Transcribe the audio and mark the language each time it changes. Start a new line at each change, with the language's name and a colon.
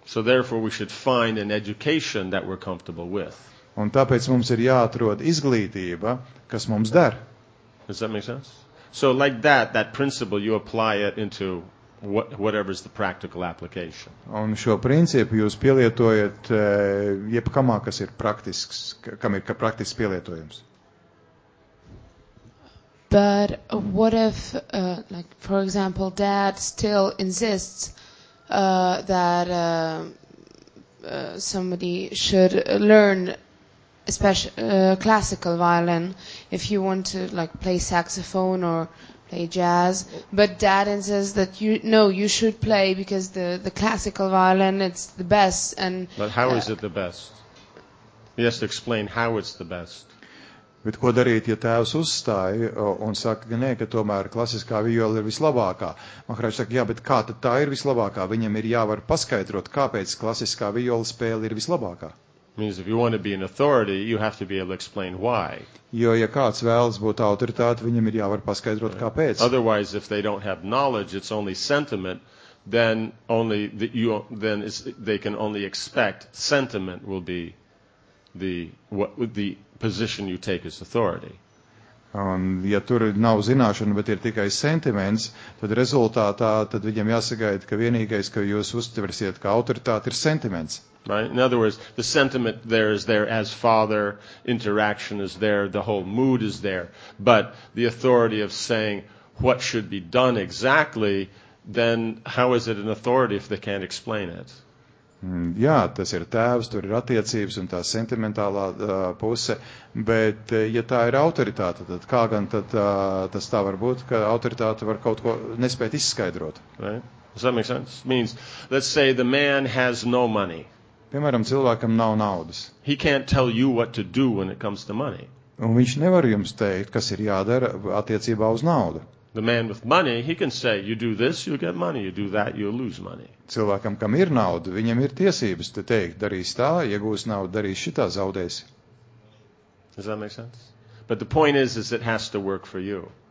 English: So therefore we should find an education that we're comfortable with.
Latvian: Un tāpēc mums ir jāatrod izglītība, kas mums der.
English: Does that make sense? So like that principle, you apply it into whatever is the practical application.
Latvian: Un šo principu jūs pielietojat jebkamā, kas ir praktisks, kam ir praktisks pielietojums.
English: But what if, like, for example, dad still insists that somebody should learn especially classical violin if you want to, like, play saxophone or play jazz, but dad insists that you should play because the classical violin, it's the best. And but how is it the best? He has to explain how it's the best.
Latvian: Bet ko darīt, ja tēvs uzstāja un saka, ka nē, ka tomēr klasiskā viola ir vislabākā? Man kārši saka, jā, bet kā tad tā ir vislabākā? Viņam ir jāvar paskaidrot, kāpēc klasiskā viola spēle ir vislabākā.
English: Means if you want to be an authority, you have to be able to explain why.
Latvian: Jo, ja kāds vēlas būt autoritāte, viņam ir jāvar paskaidrot, right, kāpēc.
English: Otherwise, if they don't have knowledge, it's only sentiment, then only the, you, then it's, they can only expect sentiment will be the position you take as authority.
Latvian: Un, ja tur nav zināšana, bet ir tikai sentiments, tad rezultātā, tad viņam jāsagaida, ka vienīgais, ka jūs uztversiet, ka autoritāte ir sentiments.
English: Right? In other words, the sentiment there is there as father, interaction is there, the whole mood is there. But the authority of saying what should be done exactly, then how is it an authority if they can't explain it?
Latvian: Jā, tas ir tēvs, tur ir attiecības un tā sentimentālā puse, bet ja tā ir autoritāte, tad kā gan tad tas tā var būt, ka autoritāte var kaut ko nespēt izskaidrot?
English: Right? Does that make sense? Means, let's say the man has no money.
Latvian: Piemēram, cilvēkam nav naudas.
English: He can't tell you what to do when it comes to money.
Latvian: Un viņš nevar jums teikt, kas ir jādara attiecībā uz naudu.
English: The man with money, he can say, you do this, you get money, you do that, you lose money.
Latvian: Cilvēkam, kam ir nauda, viņam ir tiesības te teikt, darīs tā, ja gūs naudu, darīs šitā, zaudēs.
English: Does that make sense? But the point is it has to work for you.